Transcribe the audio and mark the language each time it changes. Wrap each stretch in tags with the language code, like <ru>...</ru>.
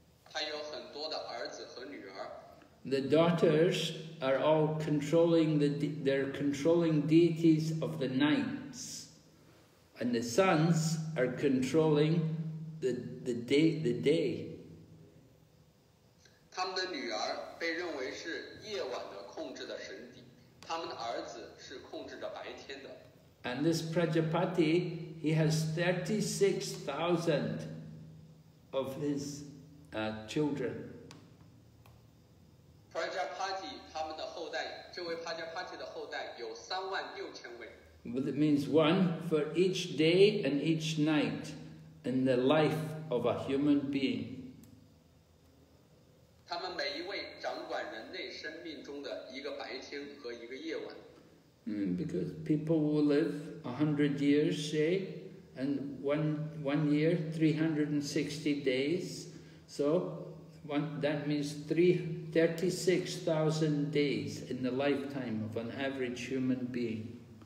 <zh>他有很多的儿子和女</zh> <en>The daughters are all controlling they're controlling deities of the nights, and the sons are controlling the day.</en> <zh>他们的女儿被认为是夜晚的控制的神邸，他们的儿子是控制着白天的。</zh> <en>And this Prajapati, he has 36,000 of his children.</en> <zh>Prajapati, 他们的后代，这位 Prajapati 的后代有36,000位。</zh> <en>But it means one for each day and each night in the life of a human being.</en> <zh>他们每一位掌管人类生命中的一个白天和一个夜晚。</zh> <en>Because people will live 100 years, say, and one year, 360 days. So, that means 36,000 days in the lifetime of an average human being.</en>